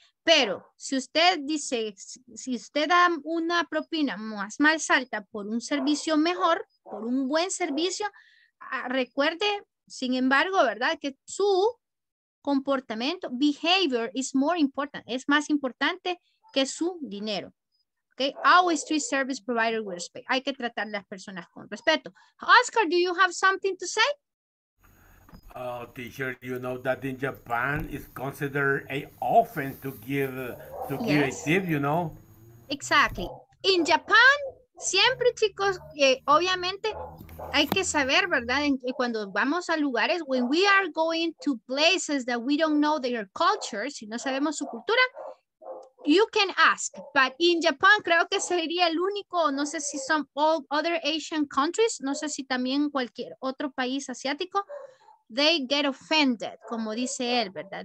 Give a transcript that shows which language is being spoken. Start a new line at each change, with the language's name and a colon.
Spanish: Pero si usted dice, si usted da una propina más alta por un servicio mejor, por un buen servicio, recuerde, sin embargo, ¿verdad? Que su comportamiento,
English: behavior is more important,
Spanish: es más importante que su dinero. Okay?
English: Always treat service provider with respect.
Spanish: Hay que tratar a las personas con respeto.
English: Oscar, do you have something to say? Oh, teacher, you know that in Japan it's considered an offense to give a tip, you know? Exactly. In Japan,
Spanish: siempre, chicos, obviamente hay que saber, ¿verdad? Cuando vamos a lugares,
English: when we are going to places that we don't know their culture,
Spanish: si no sabemos su cultura,
English: you can ask. But in Japan,
Spanish: creo que sería el único, no sé si
English: some other Asian countries,
Spanish: no sé si también cualquier otro país asiático,
English: they get offended,
Spanish: como dice él, ¿verdad?